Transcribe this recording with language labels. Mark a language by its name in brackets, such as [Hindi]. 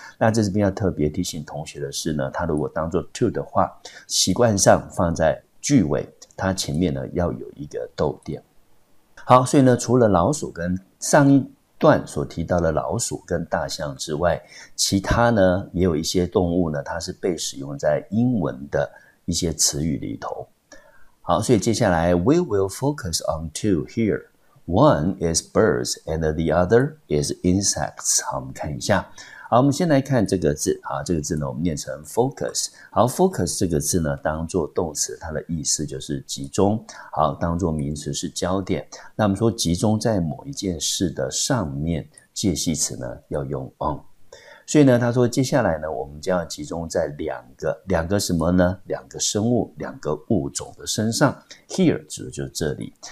[Chinese] 那在这边要特别提醒同学的是呢，它如果当作 to 的话，习惯上放在句尾，它前面呢要有一个逗点。好，所以呢除了老鼠跟上一段所提到的老鼠跟大象之外，其他呢也有一些动物呢它是被使用在英文的一些词语里头。好，所以接下来 [English] We will focus on two here. One is birds and the other is insects. [Chinese] 好，我们看一下。好，我们先来看这个字。好，这个字呢我们念成 focus。好， focus 这个字呢当作动词它的意思就是集中，好，当作名词是焦点，那我们说集中在某一件事的上面，介系词呢要用 on。所以呢他说接下来呢我们将要集中在两个什么呢，两个生物两个物种的身上， here 指的就是这里。